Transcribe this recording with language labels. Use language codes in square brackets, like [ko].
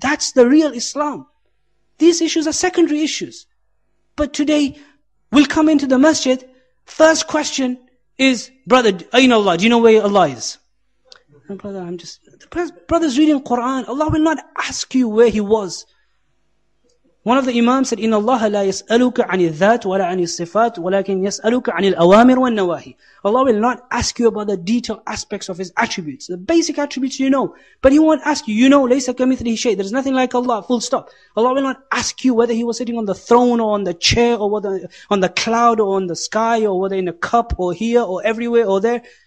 [en] That's the real Islam. These issues are secondary issues. But today, we'll come into the masjid. First question is, brother, [ar] ayin Allah, [en] do you know where Allah is? And brother, brother's reading Quran. Allah will not ask you where he was. One of the imams said, [ar] إِنَّ اللَّهَ لَا يَسْأَلُكَ عَنِ الذَّاتِ وَلَا عَنِ الصِّفَاتِ وَلَكِنْ يَسْأَلُكَ عَنِ الْأَوَامِرِ وَالنَّوَاهِ. [en] Allah will not ask you about the detailed aspects of his attributes. The basic attributes you know. But he won't ask you, you know, [ar] لَيْسَ كَمِثْلِهِ شَيْءٍ. [en] There is nothing like Allah, full stop. Allah will not ask you whether he was sitting on the throne or on the chair or whether on the cloud or on the sky or whether in a cup or here or everywhere or there.